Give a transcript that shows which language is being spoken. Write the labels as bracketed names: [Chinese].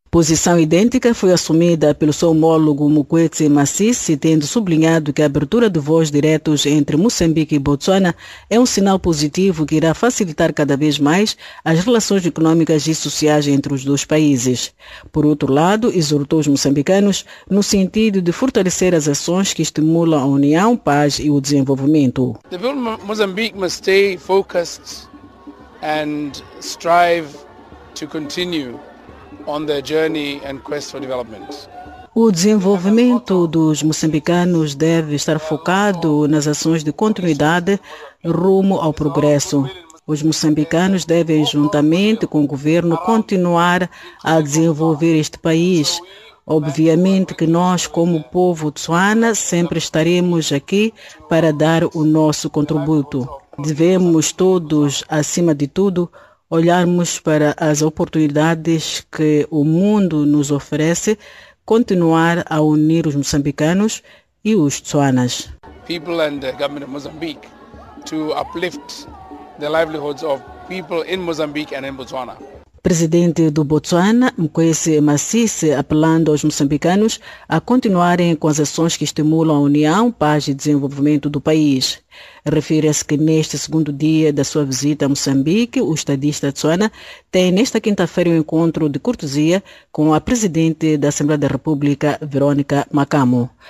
[Portuguese] Posição idêntica foi assumida pelo seu homólogo Mokgweetsi Masisi, tendo sublinhado que a abertura de voos diretos entre Moçambique e Botswana é um sinal positivo que irá facilitar cada vez mais as relações económicas e sociais entre os dois países. Por outro lado, exortou os moçambicanos no sentido de fortalecer as ações que estimulam a união, paz e o desenvolvimento. [English] The people of Mozambique must stay focused and strive to continue on their journey and quest for development. [Portuguese] O desenvolvimento dos moçambicanos deve estar focado nas ações de continuidade rumo ao progresso. Os moçambicanos devem, juntamente com o governo, continuar a desenvolver este país. Obviamente que nós, como povo tswana, sempre estaremos aqui para dar o nosso contributo. Devemos todos, acima de tudo, olharmos para as oportunidades que o mundo nos oferece, continuar a unir os moçambicanos e os tswanas. [English] People and the government of Mozambique to uplift the livelihoods of people in Mozambique and in Botswana. [Portuguese] Presidente do Botswana, Mokgweetsi Masisi, apelando aos moçambicanos a continuarem com as ações que estimulam a união, paz e desenvolvimento do país. Refere-se que neste segundo dia da sua visita a Moçambique, o estadista tswana tem nesta quinta-feira um encontro de cortesia com a presidente da Assembleia da República, Verónica Makamo.